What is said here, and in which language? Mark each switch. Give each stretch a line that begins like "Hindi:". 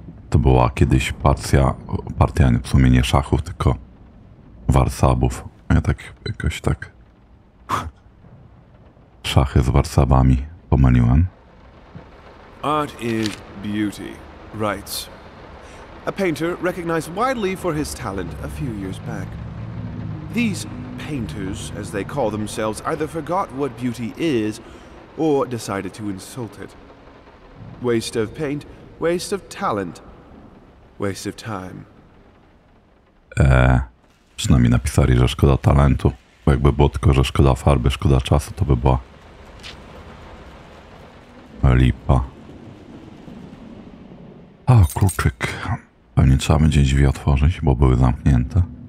Polish: To była kiedyś partia w sumie nie szachów, tylko warsabów. Ja tak jakoś tak. Szachy z warsabami pomyliłem.
English: Art is beauty, writes. A painter recognized widely for his talent a few years back. These painters, as they call themselves, either forgot what beauty is or decided to insult it. Waste of paint, waste of talent, waste of time.
Polish: Przynajmniej napisali, że szkoda talentu. Bo jakby było tylko, że szkoda farby, szkoda czasu, to by była lipa. A, kluczyk. Pewnie trzeba będzie drzwi otworzyć, bo były zamknięte.